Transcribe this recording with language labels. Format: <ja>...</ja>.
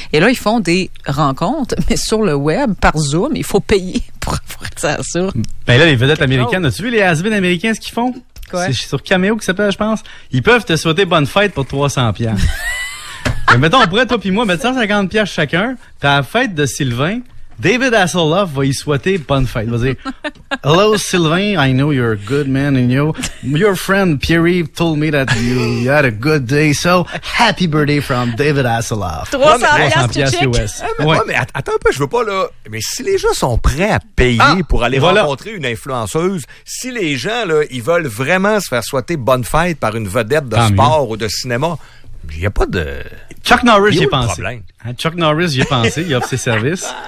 <fr>Et là, ils font des rencontres, mais sur le web, par Zoom, il faut payer pour avoir ça sûr. Ben là, les vedettes américaines, as-tu vu les has-been américains, ce qu'ils font? Quoi? C'est sur Cameo que ça s'appelle, je pense. Ils peuvent te souhaiter bonne fête pour 300$. Mais mettons, on pourrait, toi et moi, mettre 150$ chacun. Puis à la fête de Sylvain, David Hasselhoff va y souhaiter bonne fête. Il va dire,</fr> <en>hello Sylvain, I know you're a good man and your friend Pierre-Yves told me that you had a good day. So, happy birthday from David Hasselhoff.</en> <fr>300$ US. Attends un peu, je veux pas là. Mais si les gens sont prêts à payer pour aller rencontrer une influenceuse, si les gens, là, ils veulent vraiment se faire souhaiter bonne fête par une vedette de sport ou de cinéma, il n'y a pas de... Chuck Norris, j'y ai pensé. Chuck Norris, j'y ai pensé. Il offre ses services.</fr>